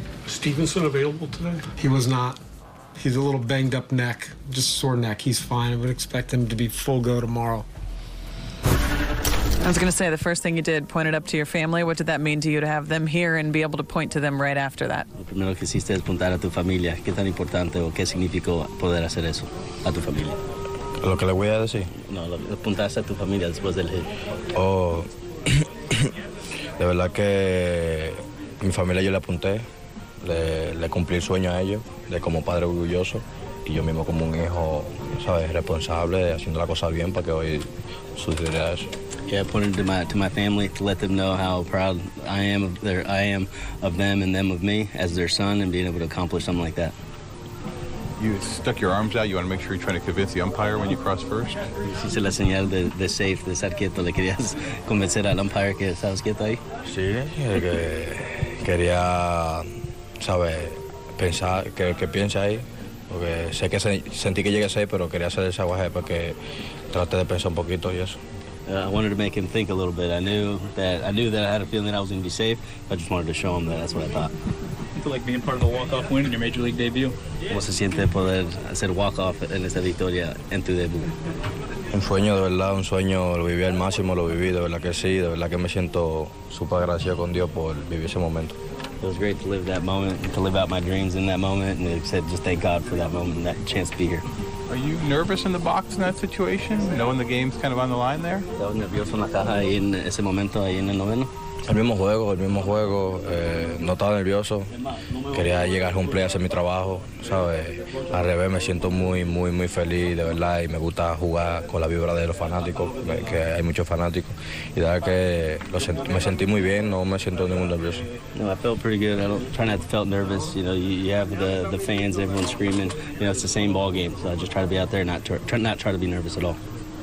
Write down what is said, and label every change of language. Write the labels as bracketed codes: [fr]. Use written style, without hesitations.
[en] Stevenson available today? He was not. He's a little banged up neck, just sore neck. He's fine. I would expect him to be full go tomorrow. I was going to say, the first thing you did, pointed up to your family. What did that mean to you to have them here and be able to point to them right after that? [es] Lo primero que hiciste es apuntar a tu familia. ¿Qué tan importante o qué significó poder hacer eso a tu familia? ¿Lo que le voy a decir? No, apuntaste a tu familia después del hit. Oh, de verdad que mi familia yo le apunté, le cumplí el sueño a ellos, de como padre orgulloso, y yo mismo como un hijo, ¿sabes?, responsable, haciendo la cosa bien para que hoy sucediera eso. [en] Yeah, I pointed to my family to let them know how proud I am of their I am of them and them of me as their son and being able to accomplish something like that. You stuck your arms out. You want to make sure you're trying to convince the umpire when you cross first. [es] Hice la señal de safe, de estar quieto. Le querías convencer al umpire que estabas quieto ahí. Sí, que quería, sabe, pensar que piense ahí, porque sé que sentí que llegué safe, pero quería hacer el salvaje porque traté de pensar un poquito y eso. [en] I wanted to make him think a little bit. I knew that I had a feeling that I was going to be safe. I just wanted to show him that. That's what I thought. What do you feel like being part of a walk-off win in your Major League debut? [es] ¿Cómo se siente poder hacer walk-off en esta victoria en tu debut? Un sueño, de verdad, un sueño. Lo viví al máximo, lo viví, de verdad que sí. De verdad que me siento súper agradecido con Dios por vivir ese momento. [en] It was great to live that moment, to live out my dreams in that moment, and said just thank God for that moment and that chance to be here. Are you nervous in the box in that situation, knowing the game's kind of on the line there? [es] Estaba nervioso en la caja ahí en ese momento, ahí en el noveno. El mismo juego, no estaba nervioso, quería llegar a un play, hacer mi trabajo, ¿sabes? Al revés, me siento muy, muy, muy feliz, de verdad, y me gusta jugar con la vibra de los fanáticos, que hay muchos fanáticos, y de verdad que me sentí muy bien, no me siento ningún nervioso. [en] No, I felt pretty good, I try not to feel nervous, you know, you have the fans, everyone screaming, you know, it's the same ball game, so I just try to be out there, not try to be nervous at all.